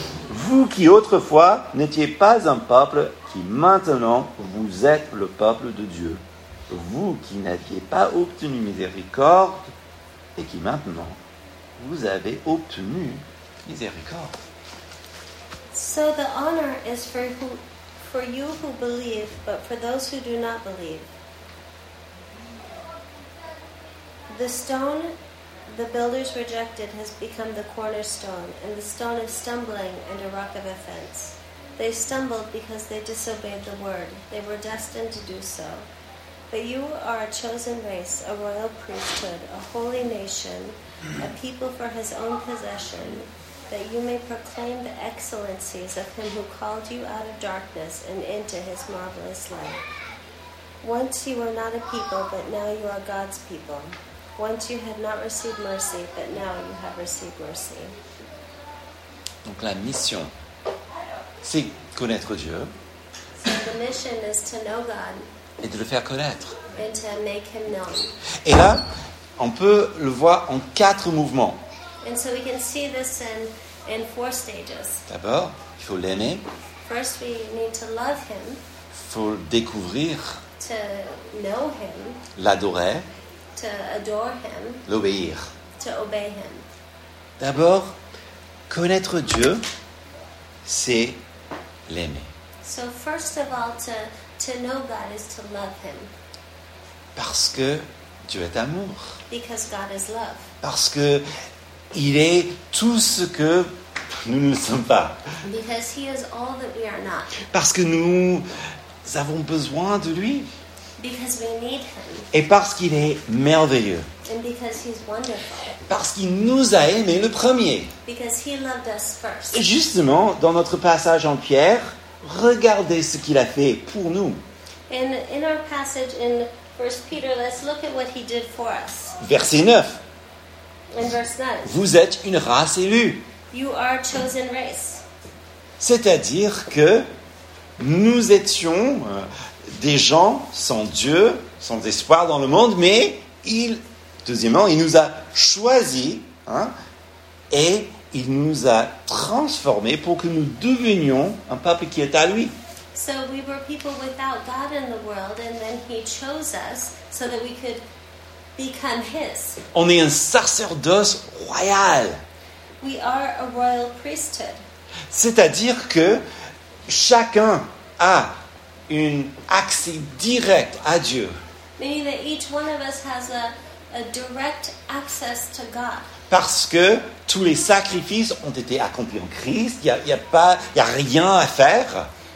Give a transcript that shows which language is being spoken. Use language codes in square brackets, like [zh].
[fr] Vous qui autrefois n'étiez pas un peuple, qui maintenant vous êtes le peuple de Dieu. Vous qui n'aviez pas obtenu miséricorde et qui maintenant vous avez obtenu miséricorde. [en] So the honor is for you who believe, but for those who do not believe. The stone the builders rejected has become the cornerstone, and the stone is stumbling and a rock of offense. They stumbled because they disobeyed the word. They were destined to do so. But you are a chosen race, a royal priesthood, a holy nation, a people for his own possession, that you may proclaim the excellencies of him who called you out of darkness and into his marvelous light. Once you were not a people, but now you are God's people. Once you had not received mercy, but now you have received mercy. [fr] Donc la mission, c'est connaître Dieu. [en] So the mission is to know God. [fr] Et de le faire connaître. [en] And to make him known. [fr] Et là, on peut le voir en quatre mouvements. [en] And so we can see this in four stages. [fr] D'abord, il faut l'aimer. [en] First we need to love him. [fr] Faut le découvrir. [en] To know him. [fr] L'adorer. [en] To adore him. [fr] L'obéir. [en] To obey him. [fr] D'abord, connaître Dieu, c'est l'aimer. [en] So first of all, to know God is to love him. [fr] Parce que Dieu est amour. [en] Because God is love. [fr] Parce que il est tout ce que nous ne sommes pas. [en] Because he is all that we are not. [fr] Parce que nous avons besoin de lui. [en] Because we need him. [fr] Et parce qu'il est merveilleux. [en] And because he's wonderful. [fr] Parce qu'il nous a aimés le premier. [en] Because he loved us first. [fr] Et justement, dans notre passage en Pierre, regardez ce qu'il a fait pour nous. [en] In our passage in 1 Peter, let's look at what he did for us. [fr] Verset 9. [en] In verse 9, [fr] vous êtes une race élue. [en] You are a chosen race. [fr] C'est-à-dire que nous étions des gens sans Dieu, sans espoir dans le monde, mais deuxièmement, il nous a choisis, hein, et il nous a transformés pour que nous devenions un peuple qui est à lui. [en] So we were people without God in the world, and then he chose us so that we could become his. [fr] On est un sacerdoce royal. [en] We are a royal priesthood. [fr] C'est-à-dire que chacun a un accès direct à Dieu. [en] Meaning that each one of us has a direct access to God. [fr] Parce que tous les sacrifices ont été accomplis en Christ. Il y a rien à faire.